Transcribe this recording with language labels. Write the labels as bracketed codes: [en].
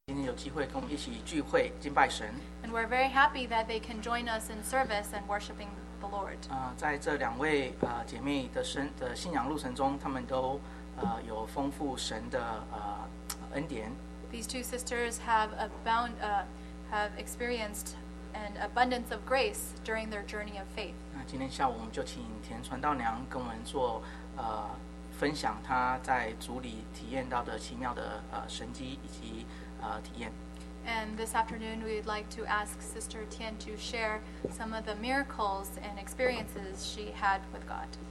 [zh] 今天有机会跟我们一起聚会敬拜神。 [en] And we're very happy that they can join us in service and worshiping the Lord. [zh] 在这两位姐妹的信仰路程中，她们都有丰富神的恩典。 [en] These two sisters have experienced an abundance of grace during their journey of faith. [zh] 今天下午我们就请田传道娘跟我们做分享她在主里体验到的奇妙的神迹以及体验。 [en] And this afternoon, we'd like to ask Sister Tian to share some of the miracles and experiences she had with God.